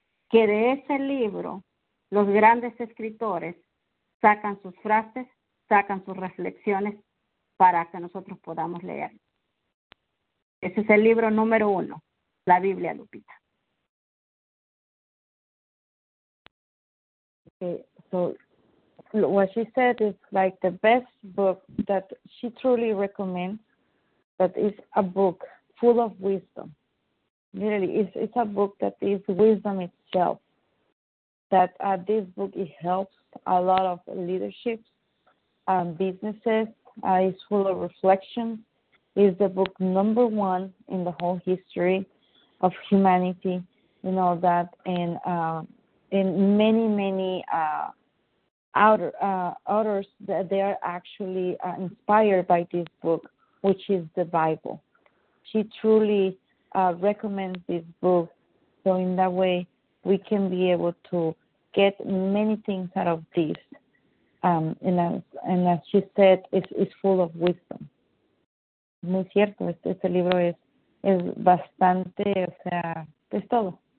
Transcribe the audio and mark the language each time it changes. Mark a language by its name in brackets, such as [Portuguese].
[Spanish] Que de ese libro, los grandes escritores sacan sus frases, sacan sus reflexiones para que nosotros podamos leer. Ese es el libro número uno, La Biblia, Lupita. [English] Okay, so what she said is like the best book that she truly recommends, that is a book full of wisdom. Literally, it's a book that is wisdom itself. That this book, it helps a lot of leaderships, businesses. It's full of reflection. It's the book number one in the whole history of humanity. You know that in many, many authors, that they are actually inspired by this book, which is the Bible. She truly recommends this book. So in that way, we can be able to get many things out of this. And as she said, it's full of wisdom. [Spanish] Muy cierto, este libro es bastante, o sea, es todo.